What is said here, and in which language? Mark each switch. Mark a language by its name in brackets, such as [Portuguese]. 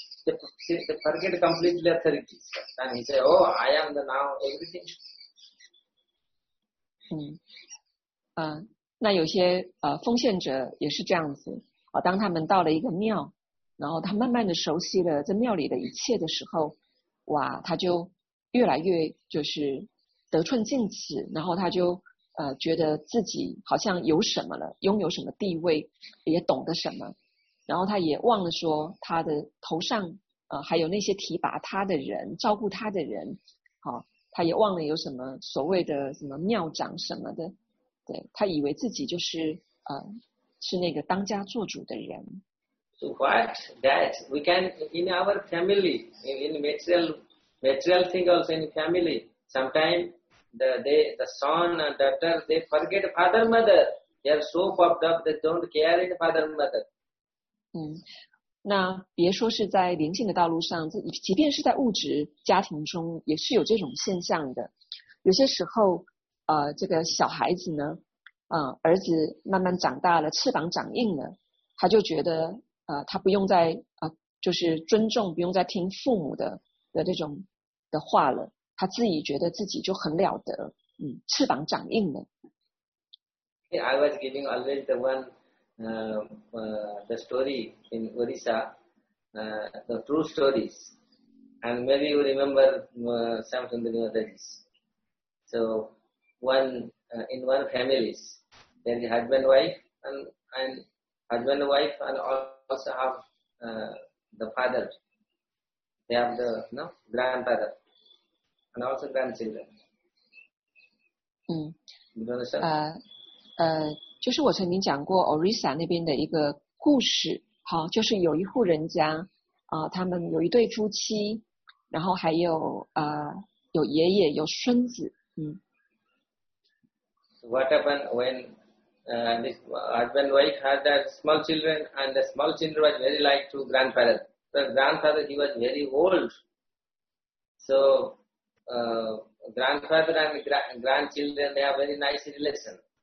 [English] They forget completely authorities. And he say, oh, I am the now everything. [Chinese] 嗯，那有些奉献者也是这样子啊。当他们到了一个庙，然后他慢慢的熟悉了这庙里的一切的时候，哇，他就越来越就是得寸进尺，然后他就觉得自己好像有什么了，拥有什么地位，也懂得什么。然后他也忘了说他的头上还有那些提拔他的人照顾他的人好、哦、他也忘了有什么所谓的什么庙长什么的对他以为自己就是是那个当家做主的人。 [English] So what that we can in our family, in material thing also in family, sometimes the son and daughter, they forget father mother, they are so popped up, they don't care in father mother. [Chinese] 嗯，那别说是在灵性的道路上，即便是在物质家庭中，也是有这种现象的。有些时候，这个小孩子呢，儿子慢慢长大了，翅膀长硬了，他就觉得，他不用再就是尊重，不用再听父母的这种的话了，他自己觉得自己就很了得，嗯，翅膀长硬了。 [English] I was giving always the one. The story in Orissa, the true stories, and maybe you remember some of the others. So, in one families, there is husband wife and husband wife and also have the father. They have the no grandfather and also grandchildren. You understand? [Chinese] 就是我曾经讲过 Orissa 那边的一个故事，好，就是有一户人家，他们有一对夫妻，然后还有有爷爷，有孙子，嗯。 [English] What happened when this husband wife had the small children and the small children was very like to grandfather. The grandfather he was very old, so grandfather and grandchildren they have very nice relation.